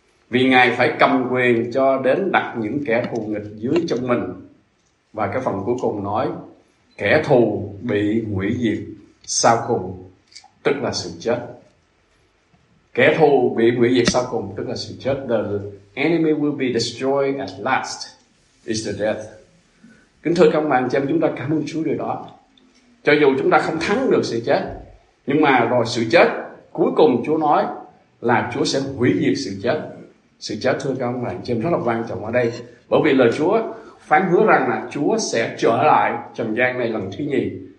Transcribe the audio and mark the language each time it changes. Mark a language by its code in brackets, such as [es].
[vi] Vì Ngài phải cầm quyền cho đến đặt những kẻ thù nghịch dưới chân mình. Và cái phần cuối cùng nói, kẻ thù bị hủy diệt sau cùng, tức là sự chết. Kẻ thù bị hủy diệt sau cùng, tức là sự chết. [en] The enemy will be destroyed at last is the death. [vi] Kính thưa các bạn, cho chúng ta cảm ơn Chúa điều đó. Cho dù chúng ta không thắng được sự chết, nhưng mà rồi sự chết, cuối cùng Chúa nói là Chúa sẽ hủy diệt sự chết. Sự chết, thưa các bạn, cho rất là quan trọng ở đây. Bởi vì lời Chúa phán hứa rằng là Chúa sẽ trở lại trần gian này lần thứ nhì.